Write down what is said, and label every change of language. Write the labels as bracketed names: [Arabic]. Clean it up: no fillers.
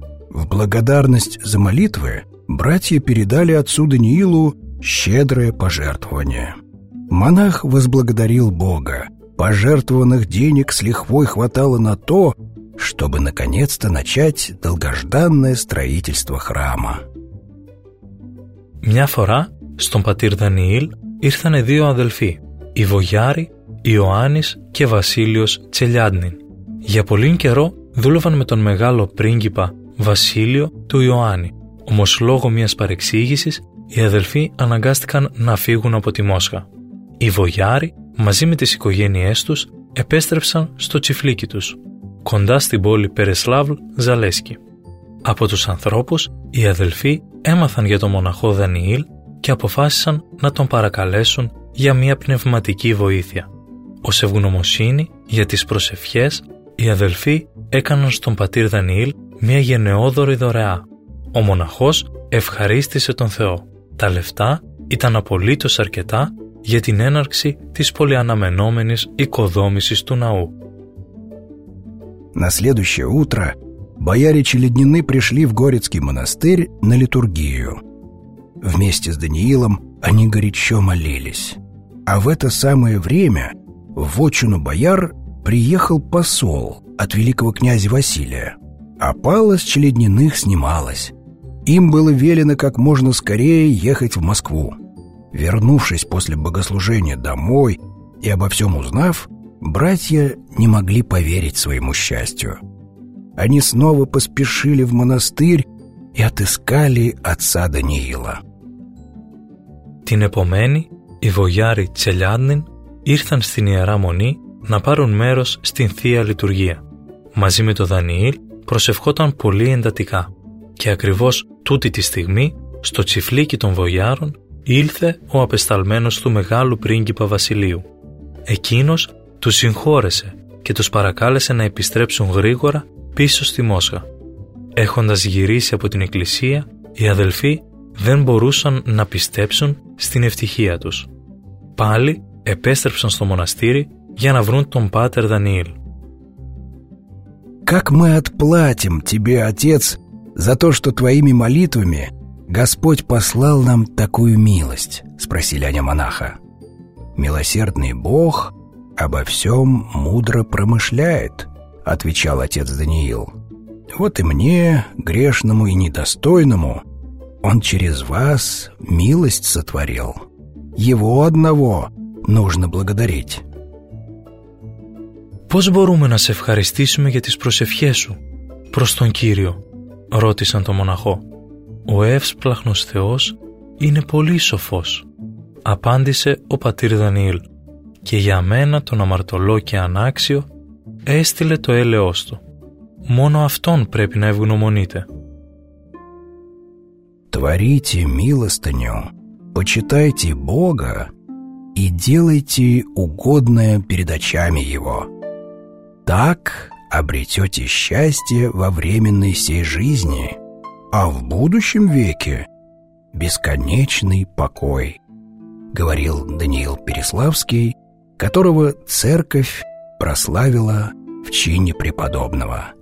[Russian] В благодарность за молитвы братья передали отцу Даниилу щедрое пожертвование. Монах возблагодарил Бога. Пожертвованных денег с лихвой хватало на то, чтобы наконец-то начать долгожданное строительство храма. [Greek] Μια φορά στον πατήρ Δανιήλ ήρθανε δύο αδελφοί, οι Βογιάροι, Ιωάννης και Βασίλειος Τσελιάντνιν. Για πολύν καιρό δούλευαν με τον μεγάλο πρίγκιπα Βασίλειο του Ιωάννη. Όμως λόγω μιας παρεξήγησης οι αδελφοί αναγκάστηκαν να φύγουν από τη Μόσχα. Οι Βογιάροι μαζί με τις οικογένειές τους επέστρεψαν στο τσιφλίκι τους, κοντά στην πόλη Πέρεσλαβλ Ζαλέσκι. Από τους ανθρώπους οι αδελφοί έμαθαν για τον μοναχό Δανιήλ και αποφάσισαν να τον παρακαλέσουν για μια πνευματική βοήθεια. Ως ευγνωμοσύνη για τις προσευχές, οι αδελφοί έκαναν στον πατήρ Δανιήλ μια γενναιόδωρη δωρεά. Ο μοναχός ευχαρίστησε τον Θεό. Τα λεφτά ήταν απολύτως αρκετά για την έναρξη της πολυαναμενόμενης οικοδόμησης του ναού. [Russian] На следующее утро бояре Челеднины пришли в Горецкий монастырь на литургию. Вместе с Даниилом они горячо молились. А в это самое время в вотчину бояр приехал посол от великого князя Василия. Опала с Челедниных снималась. Им было велено как можно скорее ехать в Москву. Вернувшись после богослужения домой и обо всем узнав, братья не могли поверить своему счастью. Они снова поспешили в монастырь и отыскали отца Даниила. [Greek] Την επομένη, οι βογιάροι Τσελιάντνιν ήρθαν στην Ιερά Μονή να πάρουν μέρος στην Θεία Λειτουργία. Μαζί με τον Δανιήλ προσευχόταν πολύ εντατικά και ακριβώς τούτη τη στιγμή, στο τσιφλίκι των βογιάρων, ήλθε ο απεσταλμένος του μεγάλου πρίγκιπα Βασιλείου. Εκείνος τους συγχώρεσε και τους παρακάλεσε να επιστρέψουν γρήγορα πίσω στη Μόσχα. Έχοντας γυρίσει από την εκκλησία, οι αδελφοί δεν μπορούσαν να πιστέψουν στην ευτυχία τους. Πάλι επέστρεψαν στο μοναστήρι για να βρουν τον Πάτερ Δανιήλ. [Russian] «Как мы отплатим тебе, отец, за то, что твоими молитвами Господь послал нам такую милость?» — спросили они монаха. «Милосердный Бог обо всем мудро промышляет», — отвечал отец Даниил. «Вот и мне, грешному и недостойному, Он через вас милость сотворил. Его одного нужно благодарить». [Greek] «Πώς μπορούμε να σε ευχαριστήσουμε για τις προσευχές σου προς τον Κύριο?» ρώτησαν τον μοναχό. «Ο εύσπλαχνος Θεός είναι πολύ σοφός», απάντησε ο πατήρ Δανιήλ, «και για μένα τον αμαρτωλό και ανάξιο έστειλε το έλεος του. Μόνο αυτόν πρέπει να ευγνωμονείτε». [Russian] «Творите милостыню, почитайте Бога и делайте угодное перед очами Его. Так обретете счастье во временной сей жизни, а в будущем веке — бесконечный покой», — говорил Даниил Переславский, которого церковь прославила в чине преподобного.